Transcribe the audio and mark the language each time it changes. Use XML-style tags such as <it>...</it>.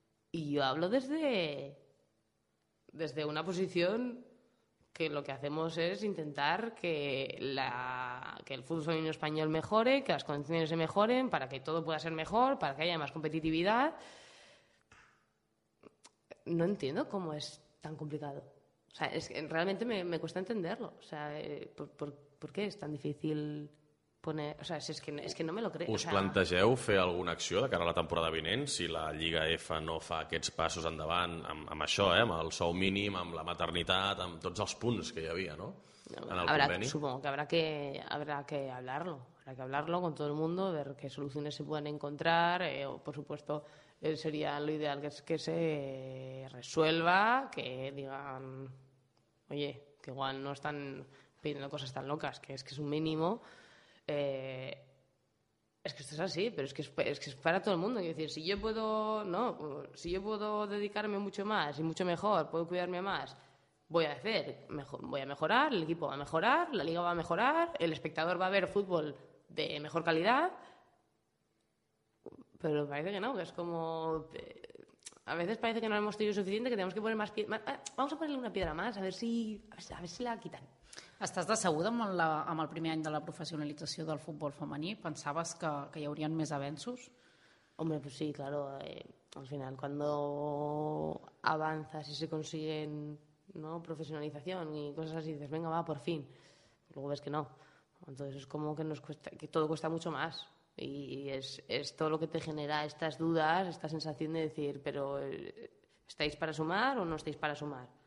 <es>Y yo hablo desde una posición que lo que hacemos es intentar que el fútbol femenino español mejore, que las condiciones se mejoren, para que todo pueda ser mejor, para que haya más competitividad. No entiendo cómo es tan complicado. O sea, es que realmente me cuesta entenderlo. O sea, ¿por qué es tan difícil poner...?</es> <ca>O sea, és que no me lo crec. Us plantegeu fer alguna acció de cara a la temporada vinent si la Lliga F no fa aquests passos endavant amb això, amb el sou mínim, amb la maternitat, amb tots els punts que hi havia, no? En el conveni.</ca> <es>Supongo que habrá que hablarlo. Habrá que hablarlo con todo el mundo, ver qué soluciones se pueden encontrar. O, por supuesto, sería lo ideal que se resuelva, que digan, oye, que igual no están pidiendo cosas tan locas, que es un mínimo. Es que esto es así, pero es que es para todo el mundo. Es decir, si yo puedo dedicarme mucho más y mucho mejor, puedo cuidarme más, voy a mejorar, el equipo va a mejorar, la liga va a mejorar, el espectador va a ver fútbol de mejor calidad. Pero parece que no, que es como... A veces parece que no hemos tenido suficiente, que tenemos que poner más piedras. Vamos a ponerle una piedra más, a ver si la quitan.</es> <ca>Estàs decebuda amb el primer any de la professionalització del futbol femení? Pensaves que hi haurien més avenços?</ca> <es>Hombre, pues sí, claro. Al final, cuando avanzas y se consiguen, ¿no?, profesionalización y cosas así, dices, venga, va, por fin. Luego ves que no. Entonces es como que nos cuesta, que todo cuesta mucho más. Y es todo lo que te genera estas dudas, esta sensación de decir, pero ¿estáis para sumar o no estáis para sumar?</es>